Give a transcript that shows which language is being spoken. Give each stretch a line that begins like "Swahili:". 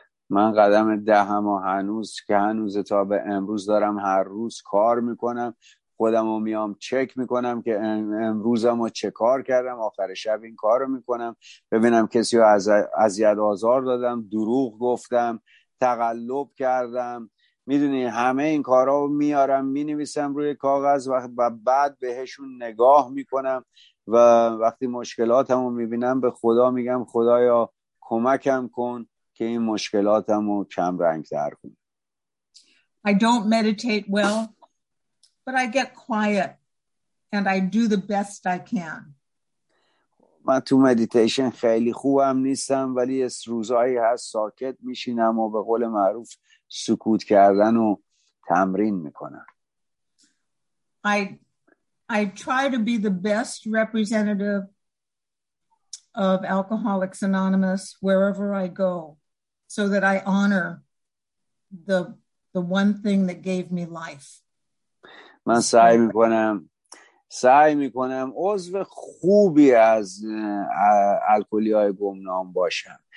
Persian: من قدم دهم و هنوز که هنوز تا به امروز دارم هر روز کار میکنم، خودم رو میام چک میکنم که امروزم رو چه کار کردم، آخر شب این کار رو میکنم ببینم کسی رو اذیت آزار دادم، دروغ گفتم، تقلب کردم، میدونی همه این کارا رو میارم مینویسم روی کاغذ و بعد بهشون نگاه میکنم و وقتی مشکلاتم رو میبینم به خدا میگم خدایا کمکم کن که این مشکلاتم رو کم رنگ تر کنم.
English: I don't meditate well, but I get quiet and I do the best I can.
Persian: من تو مدیتیشن خیلی خوبم نیستم، ولی از روزایی هست ساکت میشینم و به قول معروف سکوت کردن و تمرین میکنم.
English: I try to be the best representative of Alcoholics Anonymous wherever I go, so that I honor the one thing that gave me life.
Persian: من سعی میکنم عضو خوبی از الکلی‌های گمنام باشم.